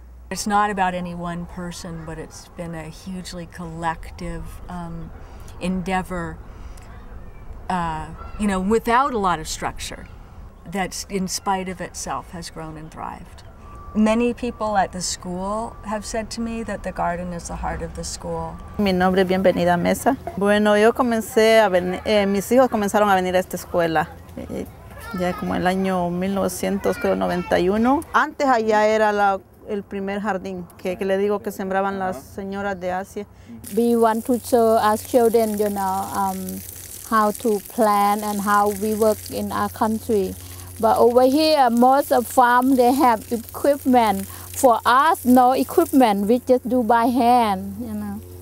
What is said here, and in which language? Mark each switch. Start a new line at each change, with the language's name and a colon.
English: It's not about any one person, but it's been a hugely collective endeavor, without a lot of structure, that's in spite of itself has grown and thrived. Many people at the school have said to me that the garden is the heart of the school.
Spanish: Mi nombre es Bienvenida Mesa. Bueno, yo comencé a venir, mis hijos comenzaron a venir a esta escuela. Ya como el año 1991. Antes allá era el primer jardín que le digo que sembraban las señoras de Asia.
English: We want to show our children, you know, how to plant and how we work in our country. But over here, most of farm they have equipment. For us, no equipment. We just do by hand, you know.